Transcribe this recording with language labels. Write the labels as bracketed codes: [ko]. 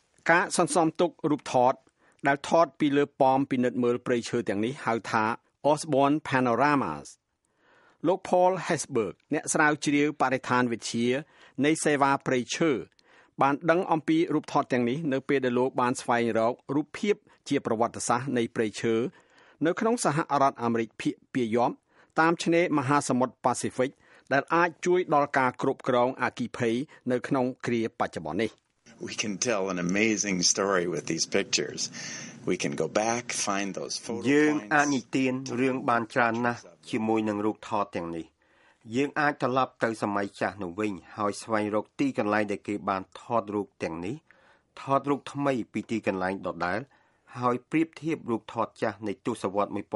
[km] ការសន្សំទុករូបថតដែលថតពីលើប៉មពិនិត្យមើលព្រៃឈើទាំងនេះហៅថា Osborne Panoramas លោក Paul Hesburg អ្នកស្រាវជ្រាវបរិស្ថានវិទ្យានៃសេវាព្រៃឈើបានដឹងអំពីរូបថតទាំងនេះនៅពេលដែលលោកបានស្វែងរករូបភាពជាប្រវត្តិសាស្ត្រនៃព្រៃឈើនៅក្នុងសហរដ្ឋអាមេរិកភាគពាយ័ព្យតាមឆ្នេរមហាសមុទ្រប៉ាស៊ីហ្វិកដែលអាចជួយដល់ការគ្រប់គ្រងអាគីភ័យនៅក្នុងគ្រាបច្ចុប្បន្ននេះ [en] We can tell an amazing story with these pictures. We can go back, find those photo points. [km] យើងអាចនិទានរឿងបានច្រើនណាស់ជាមួយនឹងរូបថតទាំងនេះយើងអាចត្រឡប់ទៅសម័យចាស់នោះវិញហើយស្វែងរកទីកន្លែងដែលគេបានថតរូបទាំងនេះថតរូបថ្មីពីទីកន្លែងដដែលហើយប្រៀបធៀបរូបថតចាស់នៃទសវត្ស